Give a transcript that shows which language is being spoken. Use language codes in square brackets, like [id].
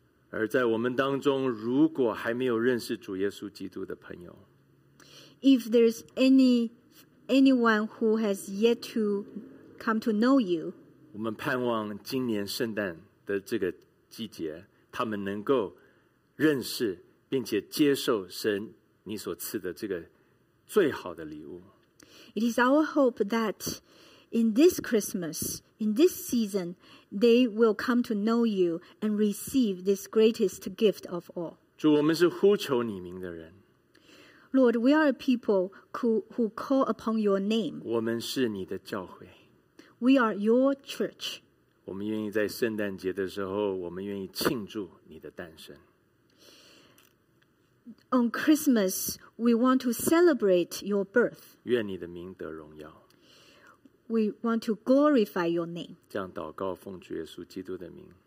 [zh] 而在我们当中，如果还没有认识主耶稣基督的朋友 [en] ，If there's anyone who has yet to come to know you， [zh] 我们盼望今年圣诞的这个季节，他们能够认识并且接受神你所赐的这个最好的礼物。 [en] It is our hope that in this Christmas, in this season, they will come to know you and receive this greatest gift of all. [zh] 主，我们是呼求你名的人。 [en] Lord, we are a people who call upon your name. [zh] 我们是你的教会。 [en] We are your church. [zh] 我们愿意在圣诞节的时候，我们愿意庆祝你的诞生。 [en] On Christmas, we want to celebrate your birth. [zh] 愿你的名得荣耀。 [en] We want to glorify your name. [zh] 这样祷告，奉主耶稣基督的名。